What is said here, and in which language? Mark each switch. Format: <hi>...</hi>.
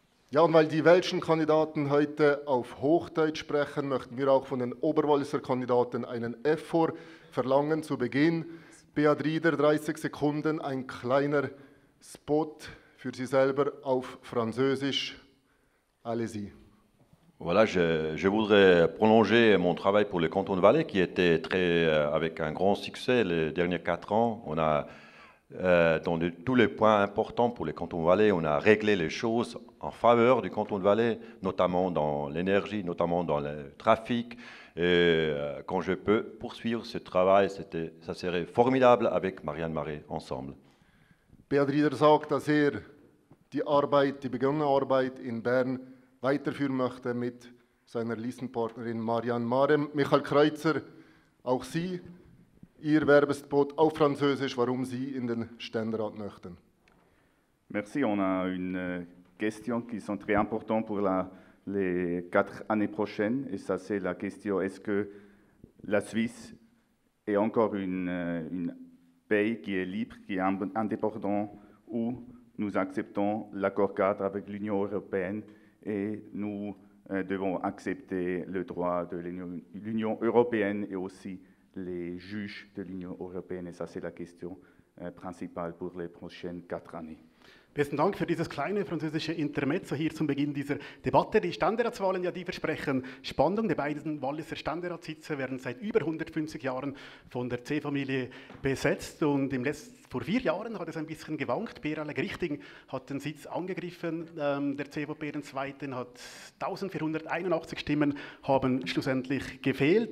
<de>Ja, und weil die welschen Kandidaten heute auf Hochdeutsch sprechen, möchten wir auch von den Oberwalliser Kandidaten einen Effort verlangen zu Beginn. Beat Rieder, 30 Sekunden, ein kleiner Spot für Sie selber auf Französisch.</de> <fr>Allez-y. Voilà, je voudrais prolonger mon travail pour le canton de Valais qui était très avec un grand succès les derniers 4 ans. On a dans tous les points importants pour le canton de Valais, on a réglé les choses en faveur du canton de Valais, notamment dans l'énergie, notamment dans le trafic. Et quand je peux poursuivre ce travail, ça serait formidable avec Marianne Marais ensemble.</fr> <de>Beat Rieder sagt, dass er die Arbeit, die begonnene Arbeit in Bern weiterführen möchte mit seiner Listenpartnerin Marianne Mare. Michael Kreuzer, auch Sie, Ihr Werbespot auf Französisch, warum Sie in den Ständerat möchten.</de> <fr>Merci, on a une question qui sont très importante pour les 4 années prochaines. Et ça c'est la question, est-ce que la Suisse est encore une pays qui est libre, qui est indépendant, où nous acceptons l'accord cadre avec l'Union européenne et nous devons accepter le droit de l'Union européenne et aussi les juges de l'Union européenne. Et ça, c'est la question principale pour les prochaines 4 années.</fr> <de>Besten Dank für dieses kleine französische Intermezzo hier zum Beginn dieser Debatte. Die Ständeratswahlen, ja, die versprechen Spannung. Die beiden Walliser Ständeratssitze werden seit über 150 Jahren von der C-Familie besetzt. Und vor 4 Jahren hat es ein bisschen gewankt. Berale Grichting hat den Sitz angegriffen, der CVP, den zweiten, hat 1481 Stimmen haben schlussendlich gefehlt.</de>